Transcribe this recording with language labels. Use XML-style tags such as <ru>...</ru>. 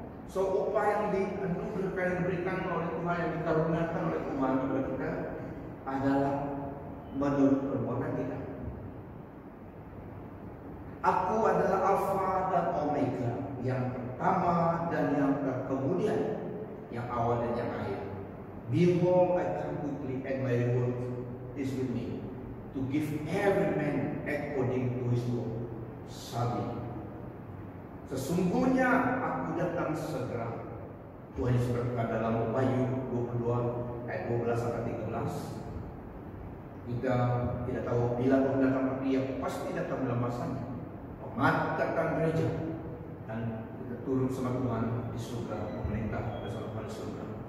<ms>So upah yang dianugerahkan yang diberikan oleh Tuhan, yang dikaruniakan oleh Tuhan kepada kita adalah menurut perbuatan kita. Aku adalah Alfa dan Omega, yang pertama dan yang terkemudian, yang awal dan yang akhir.</ms> <en>Behold, I come quickly and my reward is with me to give every man according to his work. Sabi.</en> <ms>Sesungguhnya aku datang segera. Tuhan Yesus berkata dalam Wahyu 22 ayat 12 sampai 13. Kita tidak tahu bila Tuhan datang, tapi yang pasti datang dalam masanya. Mengadakan gereja dan kita turun sama Tuhan di surga, memerintah bersama di surga.</ms>